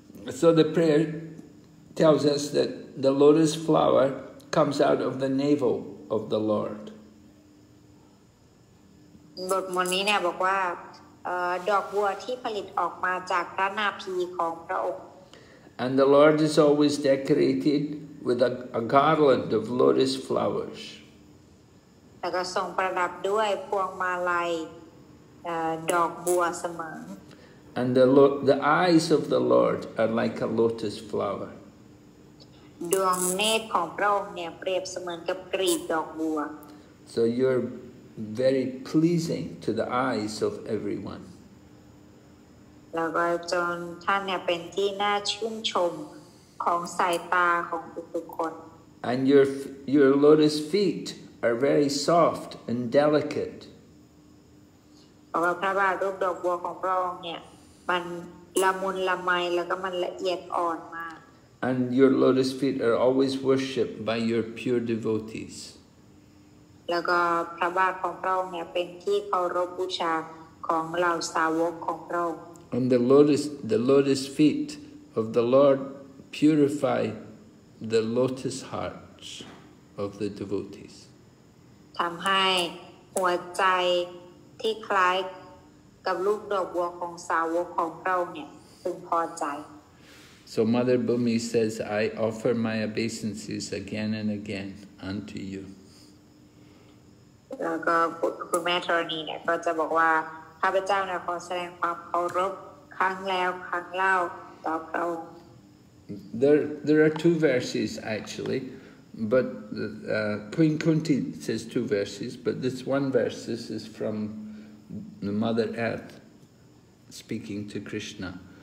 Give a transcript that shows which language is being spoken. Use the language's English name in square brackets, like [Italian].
[English] So the prayer tells us that the lotus flower comes out of the navel of the Lord. [Thai] บทมนต์นี้เนี่ยบอกว่าดอกบัวที่ผลิตออกมาจากพระนาภีของพระองค์ [English] And the Lord is always decorated with a garland of lotus flowers. [Thai] แล้วก็ทรงประดับด้วยพวงมาลัยดอกบัวเสมอ [English] And the eyes of the Lord are like a lotus flower. [Thai] ดวงเนตรของพระองค์เนี่ยเปรียบเสมือนกับกลีบดอกบัว [English] So you're very pleasing to the eyes of everyone. [Thai] แล้วก็จนท่านเนี่ยเป็นที่น่าชื่นชมของสายตาของทุกๆคน [English] And your lotus feet are very soft and delicate. [Thai] เพราะพระบาทรูปดอกบัวของพระองค์เนี่ยมันละมุนละไมแล้วก็มันละเอียดอ่อนมาก [English] And your lotus feet are always worshipped by your pure devotees. [Thai] แล้วก็พระบาทของพระองค์เนี่ยเป็นที่เคารพบูชาของเหล่าสาวกของพระองค์ [English] And the lotus feet of the Lord purify the lotus hearts of the devotees. [Thai] ทำให้หัวใจที่คล้ายกับรูปดอกบัวของสาวกของเราเนี่ยพึงพอใจ [English] So Mother Bhumi says, I offer my obeisances again and again unto you. There are two verses actually, but Queen Kunti says two verses, but this one verse, this is from the Mother Earth speaking to Krishna.